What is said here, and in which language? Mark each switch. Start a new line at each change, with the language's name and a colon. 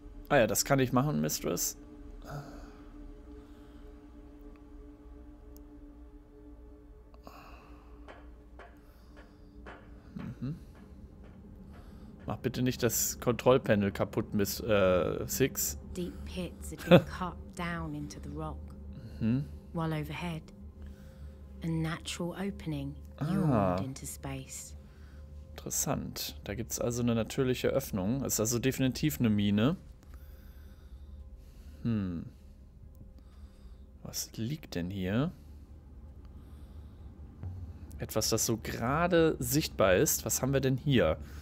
German: Ah ja, das kann ich machen, Mistress. Mhm. Mach bitte nicht das Kontrollpanel kaputt, Miss Six.
English: Deep pits had been cut down into the rock. While overhead, a natural opening yawned into space.
German: Interessant. Da gibt's also eine natürliche Öffnung. Ist also definitiv eine Mine. Was liegt denn hier? Etwas, das so gerade sichtbar ist. Was haben wir denn hier?